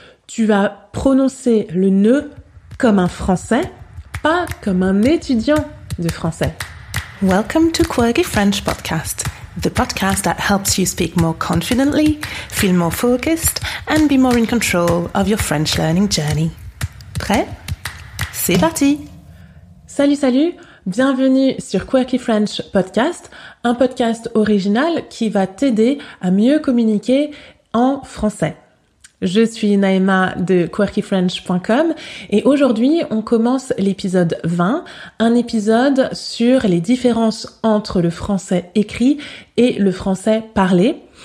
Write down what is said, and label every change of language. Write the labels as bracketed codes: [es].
[fr] Tu vas prononcer le ne comme un français, pas comme un étudiant de français. [en] Welcome to Quirky French Podcast, the podcast that helps you speak more confidently, feel more focused, and be more in control of your French learning journey. [fr] Prêt? C'est parti! Salut, salut! Bienvenue sur Quirky French Podcast, un podcast original qui va t'aider à mieux communiquer en français. Je suis Naïma de quirkyfrench.com et aujourd'hui, on commence l'épisode 20, un épisode sur les différences entre le français écrit et le français parlé.